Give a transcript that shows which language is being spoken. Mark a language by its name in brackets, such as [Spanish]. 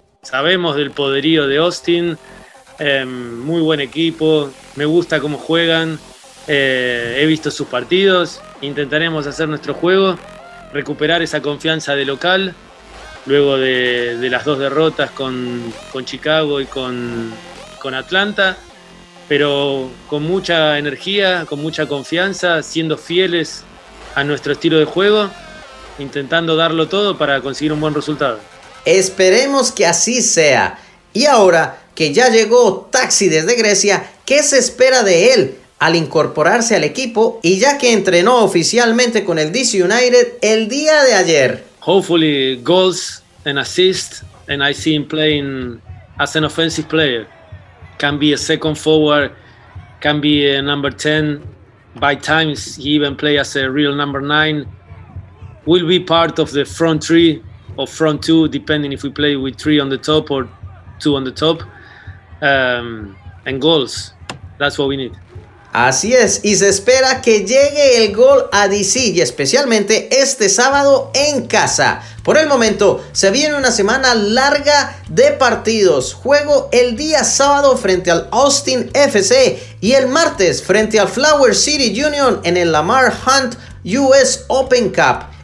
[Spanish] Sabemos del poderío de Austin, muy buen equipo, me gusta cómo juegan, he visto sus partidos, intentaremos hacer nuestro juego, recuperar esa confianza de local, luego de las dos derrotas con Chicago y con Atlanta, pero con mucha energía, con mucha confianza, siendo fieles a nuestro estilo de juego, intentando darlo todo para conseguir un buen resultado. Esperemos que así sea. Y ahora que ya llegó Taxi desde Grecia, ¿qué se espera de él al incorporarse al equipo y ya que entrenó oficialmente con el DC United el día de ayer? [English] Hopefully goals and assists, and I see him playing as an offensive player. Can be a second forward, can be a number 10. By times he even play as a real number 9. will be part of the front three or front two, depending if we play with three on the top or two on the top, and goals. That's what we need. [Spanish] Así es, y se espera que llegue el gol a DC, y especialmente este sábado en casa. Por el momento, se viene una semana larga de partidos. Juego el día sábado frente al Austin FC y el martes frente al Flower City Union en el Lamar Hunt US Open Cup.